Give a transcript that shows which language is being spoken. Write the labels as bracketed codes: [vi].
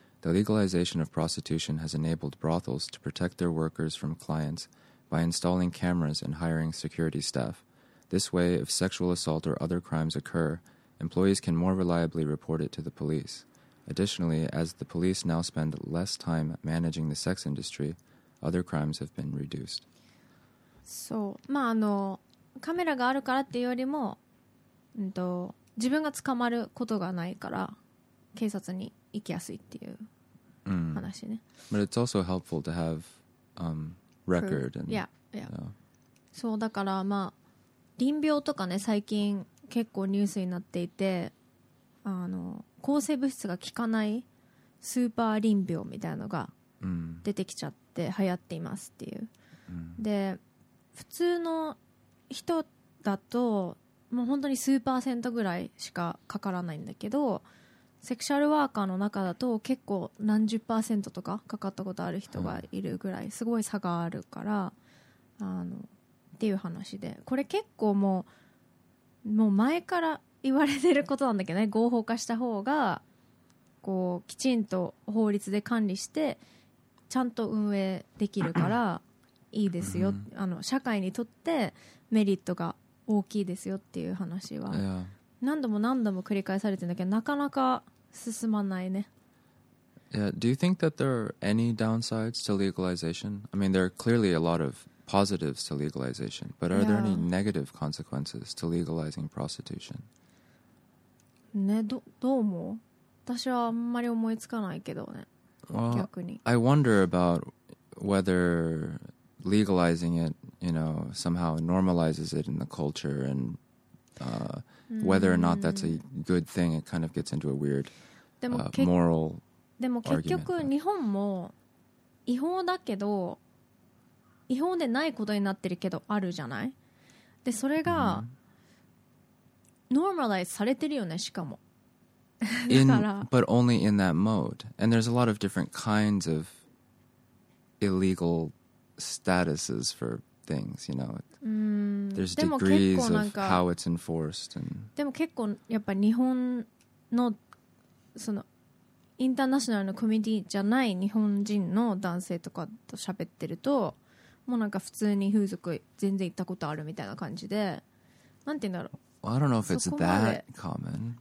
[en] The legalization of prostitution has enabled brothels to protect their workers from clients by installing cameras and hiring security staff. This way, if sexual assault or other crimes occur, employees can more reliably report it to the police. Additionally, as the police now spend less time managing the sex industry, other crimes have been reduced. [ja] そう、まああのカメラがあるからっていうよりも、自分が捕まることがないから警察に行きやすいっていう話ね。 [en] But it's also helpful to have record and yeah, yeah. You know. [ja] そうだからまあ淋病とかね最近結構ニュースになっていて、あの。抗生物質が効かないスーパー淋病みたいなのが出てきちゃって流行っていますっていう、うん、で普通の人だともう本当に数パーセントぐらいしかかからないんだけど、セクシャルワーカーの中だと結構何十パーセントとかかかったことある人がいるぐらいすごい差があるから、うん、あのっていう話で、これ結構もう前から言われてることなんだけどね、合法化した方がこうきちんと法律で管理してちゃんと運営できるからいいですよ、あの社会にとってメリットが大きいですよっていう話は何度も何度も繰り返されてるんだけど、なかなか進まないね。 [en] Yeah, do you think that there are any downsides to legalization? I mean, there are clearly a lot of positives to legalization, but are there any negative consequences to legalizing prostitution? [ja] ね、どう思う？私はあんまり思いつかないけどね。 [en] Well, [ja] 逆に。 [en] I wonder about whether legalizing it, you know, somehow normalizes it in the culture and whether or not that's a good thing. It kind of gets into a weird moral argument. [ja] でも結局日本も違法だけど、違法でないことになってるけどあるじゃない？でそれが、normalize されてるよね、しかも。 [en] But only in that mode. And there's a lot of different kinds of illegal statuses for things, you know. There's degrees of how it's enforced. [ja] でも結構やっぱ日本のそのインターナショナルのコミュニティじゃない日本人の男性とかと喋ってると、もうなんか普通に風俗全然行ったことあるみたいな感じで、なんて言うんだろう。 [en] Well, I don't know if it's that common.